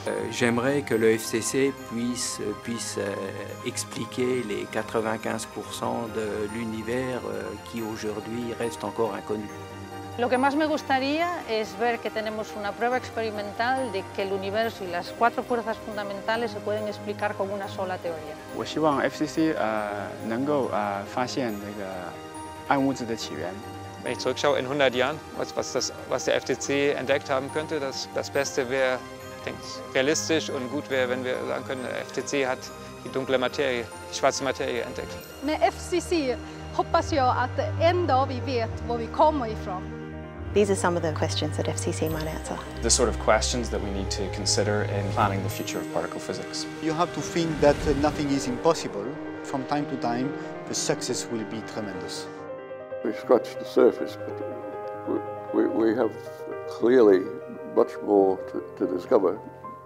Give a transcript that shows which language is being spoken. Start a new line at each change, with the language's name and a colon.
French: J'aimerais que le FCC puisse expliquer les 95% de l'univers qui aujourd'hui reste encore inconnu.
Spanish: Lo que más me gustaría es ver que tenemos una prueba experimental de que el universo y las cuatro fuerzas fundamentales se pueden explicar con una sola teoría.
Chinese: 我希望 FCC 能够发现那个暗物质的起源。
German: Wenn ich zurückschaue in 100 Jahren, was der FCC entdeckt haben könnte, das Beste wäre, ich denke, realistisch und gut wäre, wenn wir sagen können, der FCC hat die dunkle Materie, die schwarze Materie entdeckt. Mit FCC hoffe ich, dass Ende wir wissen, wo wir kommen.
English: These are some of the questions that FCC might answer. The sort of questions that we need to consider in planning the future of particle physics. You have to think that nothing is impossible. From time to time, the success will be tremendous. We've scratched the surface, but we have clearly much more to discover.